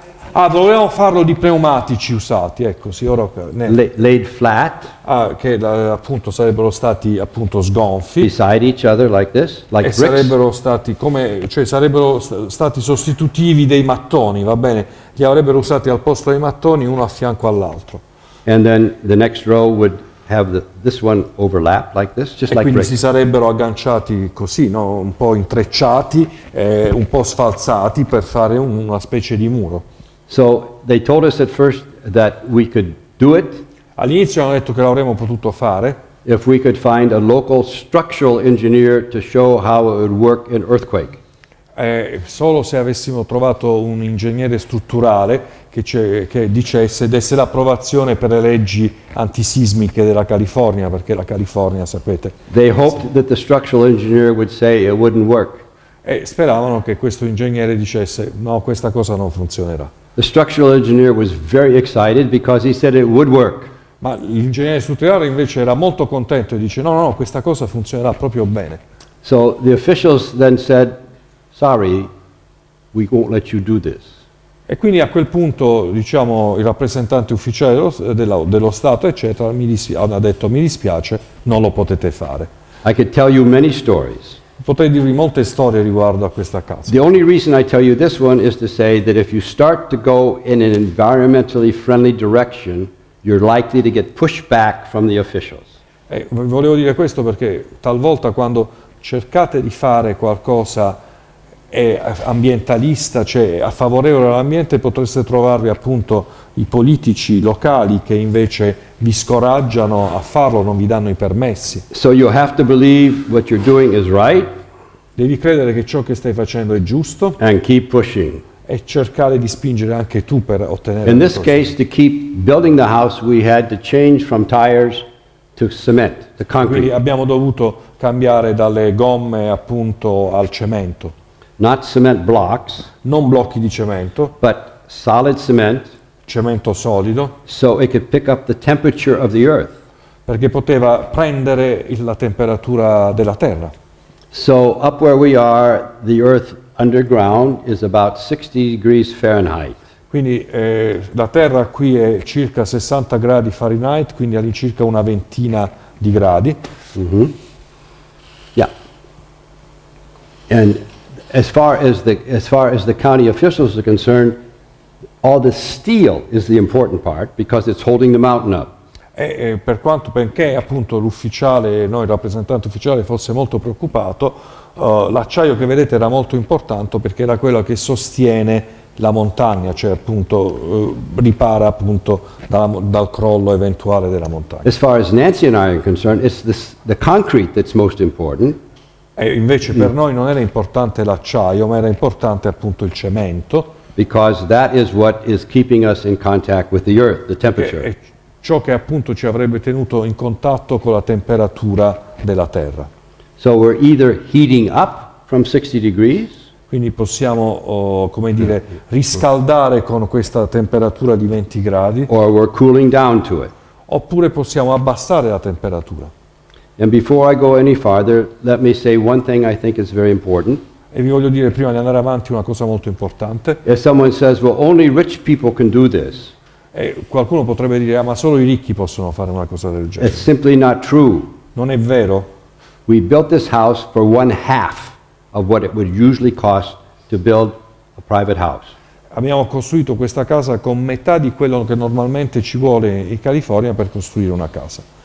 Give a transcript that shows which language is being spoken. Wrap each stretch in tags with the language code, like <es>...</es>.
<it>Ah, dovevamo farlo di pneumatici usati, ecco, sì, ora...</it> <en>Laid flat.</en> <it>Ah, che appunto sarebbero stati appunto sgonfi.</it> <en>Beside each other like this, like bricks.</en> <it>E sarebbero stati come, cioè sarebbero stati sostitutivi dei mattoni, va bene? Li avrebbero usati al posto dei mattoni, uno a fianco all'altro.</it> <en>And then the next row would have this one overlap like this, just like bricks.</en> <it>E quindi si sarebbero agganciati così, no? Un po' intrecciati, un po' sfalzati per fare una specie di muro.</it> <en>So they told us at first that we could do it.</en> <it>All'inizio hanno detto che l'avremmo potuto fare.</it> <en>If we could find a local structural engineer to show how it would work in earthquake.</en> <it>Solo se avessimo trovato un ingegnere strutturale che dicesse, desse l'approvazione per le leggi antisismiche della California, perché la California, sapete.</it> <en>They hoped that the structural engineer would say it wouldn't work.</en> <it>E speravano che questo ingegnere dicesse, no, questa cosa non funzionerà.</it> <en>The structural engineer was very excited because he said it would work.</en> <it>Ma l'ingegnere strutturale invece era molto contento e dice no, questa cosa funzionerà proprio bene.</it> <en>So the officials then said, sorry, we won't let you do this.</en> <it>E quindi a quel punto, diciamo, il rappresentante ufficiale dello Stato, eccetera, mi dispiace, non lo potete fare.</it> <en>I could tell you many stories.</en> <it>Potrei dirvi molte storie riguardo a questa casa.</it> <en>The only reason I tell you this one is to say that if you start to go in an environmentally friendly direction, you're likely to get pushed back from the officials.</en> <it>Volevo dire questo perché talvolta quando cercate di fare qualcosa ambientalista, cioè a favorevole all'ambiente, potreste trovarvi appunto i politici locali che invece vi scoraggiano a farlo, non vi danno i permessi.</it> <en>So you have to believe what you're doing is right.</en> <it>Devi credere che ciò che stai facendo è giusto.</it> <en>And keep pushing.</en> <it>E cercare di spingere anche tu per ottenere.</it> <en>In this case, to keep building the house, we had to change from tires to cement, to concrete.</en> <it>Quindi abbiamo dovuto cambiare dalle gomme appunto al cemento.</it> <en>Not cement blocks,</en> <it>non blocchi di cemento,</it> <en>but solid cement,</en> <it>cemento solido,</it> <en>so it could pick up the temperature of the earth,</en> <it>perché poteva prendere la temperatura della terra.</it> <en>So up where we are, the earth underground is about 60 degrees Fahrenheit.</en> <it>Quindi la terra qui è circa 60 gradi Fahrenheit, quindi all'incirca una ventina di gradi. Mm-hmm. Yeah.</it> <en>And As far as the county officials are concerned, all the steel is the important part because it's holding the mountain up.</en> <it>Perché appunto l'ufficiale, noi il rappresentante ufficiale fosse molto preoccupato, l'acciaio che vedete era molto importante perché era quello che sostiene la montagna, cioè appunto ripara appunto dal crollo eventuale della montagna.</it> <en>As far as Nancy and I are concerned, it's the concrete that's most important.</en> <it>E invece per noi non era importante l'acciaio, ma era importante appunto il cemento.</it> <en>Because that is what is keeping us in contact with the earth, the temperature.</en> <it>È ciò che appunto ci avrebbe tenuto in contatto con la temperatura della terra.</it> <en>So we're either heating up from 60 degrees.</en> <it>Quindi possiamo, come dire, riscaldare con questa temperatura di 20 gradi.</it> <en>Or we're cooling down to it.</en> <it>Oppure possiamo abbassare la temperatura.</it> <en>And before I go any farther, let me say one thing I think is very important.</en> <it>E vi voglio dire prima di andare avanti una cosa molto importante.</it> <en>If someone says, "Well, only rich people can do this,"</en> <it>e qualcuno potrebbe dire, ma solo i ricchi possono fare una cosa del genere.</it> <en>It's simply not true.</en> <it>Non è vero.</it> <en>We built this house for one half of what it would usually cost to build a private house.</en> <it>Abbiamo costruito questa casa con metà di quello che normalmente ci vuole in California per costruire una casa.</it>